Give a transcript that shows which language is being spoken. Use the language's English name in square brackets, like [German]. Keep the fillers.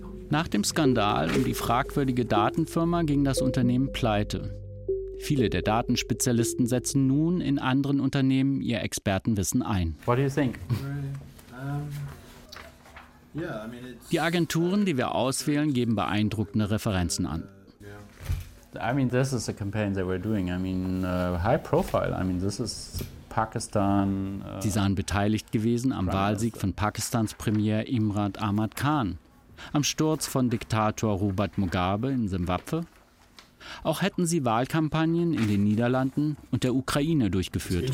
[German] Nach dem Skandal um die fragwürdige Datenfirma ging das Unternehmen pleite. Viele der Datenspezialisten setzen nun in anderen Unternehmen ihr Expertenwissen ein. Die Agenturen, die wir auswählen, geben beeindruckende Referenzen an. [English] I mean, this is a campaign they were doing. I mean, uh, high profile. I mean, this is Pakistan. [German] Uh, sie waren beteiligt gewesen am Frieden, Wahlsieg so. von Pakistans Premier Imran Ahmad Khan, am Sturz von Diktator Robert Mugabe in Simbabwe. Auch hätten sie Wahlkampagnen in den Niederlanden und der Ukraine durchgeführt.